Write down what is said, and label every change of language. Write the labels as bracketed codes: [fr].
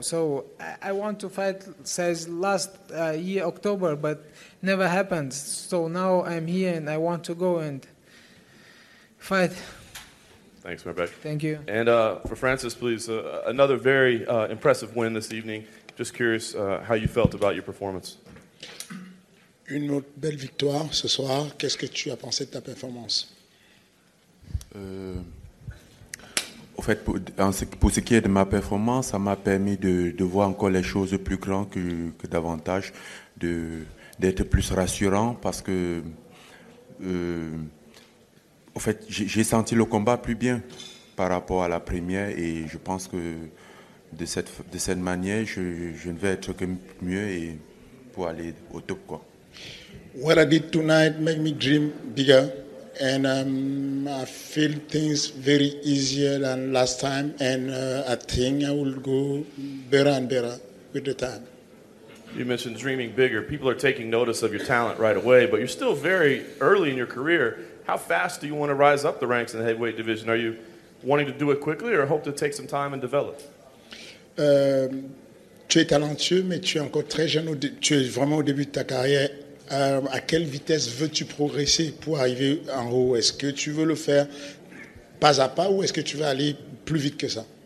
[en] So I want to fight since last year, October, but never happened. So now I'm here and I want to go and fight. Thanks, Merbeck. Thank you. And for Francis, please, another very impressive win this evening. Just curious how you felt about your performance. [fr] Une belle victoire ce soir. Qu'est-ce que tu as pensé de ta performance? En fait, pour ce qui est de ma performance, ça m'a permis de voir encore les choses plus grandes que davantage, d'être plus rassurant parce que, en fait, j'ai senti le combat plus bien par rapport à la première et je pense que de cette manière, je ne vais être que mieux et pour aller au top, quoi. [en] What I did tonight made me dream bigger. And I feel things very easier than last time, and I think I will go better and better with the time. You mentioned dreaming bigger. People are taking notice of your talent right away, but you're still very early in your career. How fast do you want to rise up the ranks in the heavyweight division? Are you wanting to do it quickly or hope to take some time and develop? [fr] Tu es talentueux, mais tu es encore très jeune. Tu es vraiment au début de ta carrière. À quelle vitesse veux-tu progresser pour arriver en haut? Est-ce que tu veux le faire pas à pas ou est-ce que tu veux aller plus vite que ça?